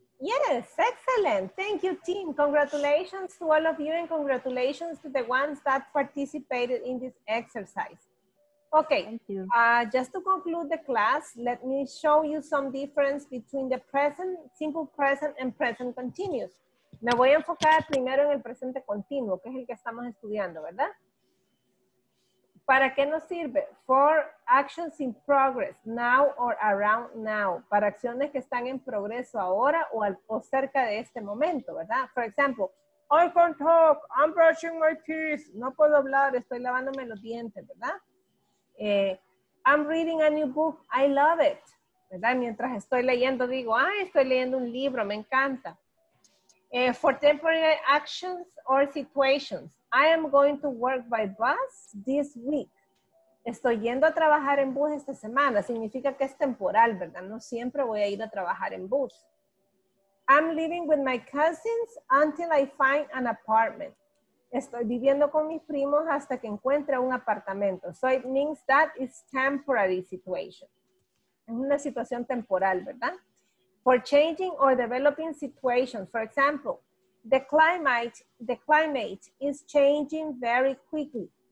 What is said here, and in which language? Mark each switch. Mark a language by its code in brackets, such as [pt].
[en] Yes, excellent. Thank you, team. Congratulations to all of you, and congratulations to the ones that participated in this exercise. Okay. Thank you. Just to conclude the class, let me show you some difference between the present, simple present, and present continuous. [es] Me voy a enfocar primero en el presente continuo, que es el que estamos estudiando, ¿verdad? ¿Para qué nos sirve? [en] For actions in progress, now or around now. [es] Para acciones que están en progreso ahora o cerca de este momento, ¿verdad? [en] For example, I can't talk, I'm brushing my teeth. [es] No puedo hablar, estoy lavándome los dientes, ¿verdad? [en] I'm reading a new book, I love it. [es] ¿Verdad? Mientras estoy leyendo digo, ay, estoy leyendo un libro, me encanta. [en] For temporary actions or situations, I am going to work by bus this week. [es] Estoy yendo a trabajar en bus esta semana. Significa que es temporal, ¿verdad? No siempre voy a ir a trabajar en bus. [en] I'm living with my cousins until I find an apartment. [es] Estoy viviendo con mis primos hasta que encuentre un apartamento. [en] So it means that it's temporary situation. [es] Es una situación temporal, ¿verdad? [en] For changing or developing situations, for example, The climate is changing very quickly.